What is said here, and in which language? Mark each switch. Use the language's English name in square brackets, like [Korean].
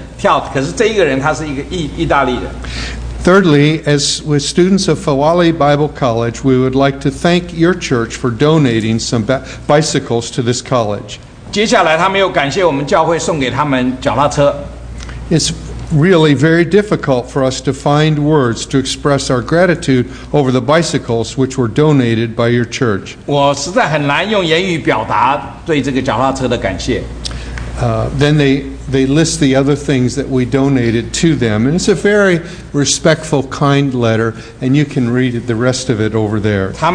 [Chinese] 就很多人听到主的话，他都很高兴的跳。可是这一个人，他是一个意大利人。 [English] Thirdly, as with students of Fawali Bible College, we would like to thank your church for donating some bicycles to this college. [Chinese] 接下来他们又感谢我们教会送给他们脚踏车。 [English] It's really very difficult for us to find words to express our gratitude over the bicycles which were donated by your church. [Chinese] 我实在很难用言语表达对这个脚踏车的感谢。 [English] Then they list the other things that we donated to them. And it's a very respectful, kind letter, and you can read the rest of it over there.